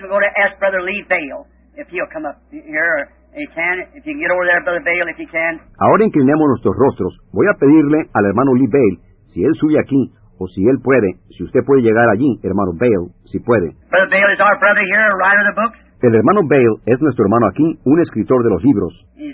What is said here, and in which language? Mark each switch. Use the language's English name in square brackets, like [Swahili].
[English] We're going to ask Brother Lee Bale if he'll come up here. He can, if you can get over there, Brother Bale, if you can. [Spanish] Ahora inclinemos nuestros rostros. Voy a pedirle al hermano Lee Bale si él sube aquí o si él puede, si usted puede llegar allí, hermano Bale, si puede. [English] Brother Bale is our brother here, a writer of the books. [Spanish] El hermano Bale es nuestro hermano aquí, un escritor de los libros.